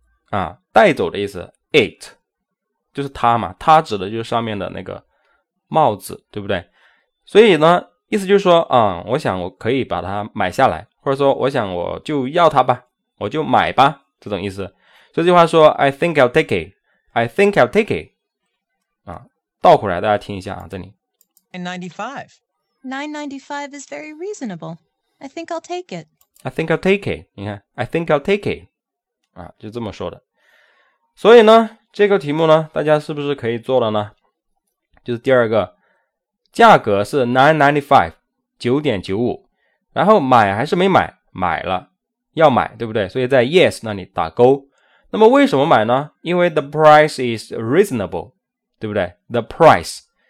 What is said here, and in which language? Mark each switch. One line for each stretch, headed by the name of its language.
Chinese: 啊，带走的意思 it 就是他嘛他指的就是上面的那个帽子对不对所以呢意思就是说嗯，我想我可以把它买下来或者说我想我就要它吧我就买吧这种意思这句话说
English: I think I'll take it
Chinese: I think I'll take it 啊，倒回来大家听一下啊，这里
English: $9.95 is very reasonable I think I'll take it I think I'll take it
Chinese: 你看 I think I'll take it 啊，就这么说的所以呢这个题目呢大家是不是可以做了呢就是第二个价格是 $9.95 然后买还是没买买了要买对不对所以在 yes 那里打勾那么为什么买呢因为
English: the price is reasonable
Chinese: 对不对 the price